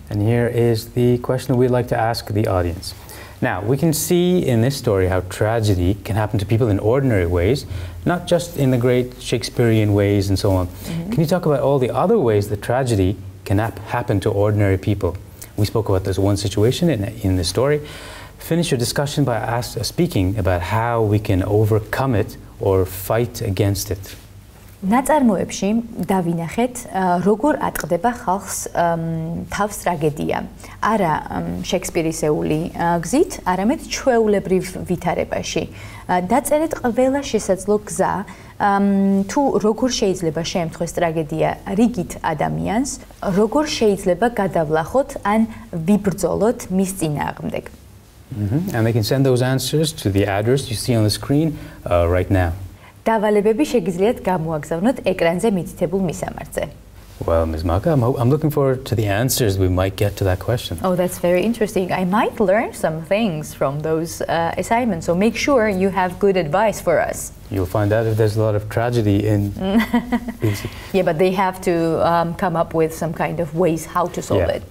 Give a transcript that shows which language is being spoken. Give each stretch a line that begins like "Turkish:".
English: And here is the question we'd like to ask the audience. Now, we can see in this story how tragedy can happen to people in ordinary ways, not just in the great Shakespearean ways and so on. Mm-hmm. Can you talk about all the other ways that tragedy can happen to ordinary people? We spoke about this one situation in the story. Finish your discussion by speaking about how we can overcome it or fight against it.
Georgian: ნაწარმოებში დავინახეთ, როგორ ატყდება ხალხს თავს ტრაგედია. Არა შექსპირისეული გზით, არამედ ჩვეულებრივ ვითარებაში. დაწერეთ ყველა შესაძლო გზა, თუ როგორ შეიძლება შეემთხვეს ტრაგედია რიგით ადამიანს, როგორ შეიძლება გადავლახოთ ან ვიბრძოლოთ მის წინააღმდეგ.
English: And they can send those answers to the address you see on the screen right now.
Georgian: დავალებები შეგიძლიათ გამოაგზავნოთ ეკრანზე მითითებულ მისამართზე.
English: Well, Ms. Maka, I'm looking forward to the answers we might get to that question. Oh, that's very interesting. I might learn some things from those assignments, so make sure you have good advice for us. You'll find out if there's a lot of tragedy in... Yeah, but they have to come up with some kind of ways how to solve it.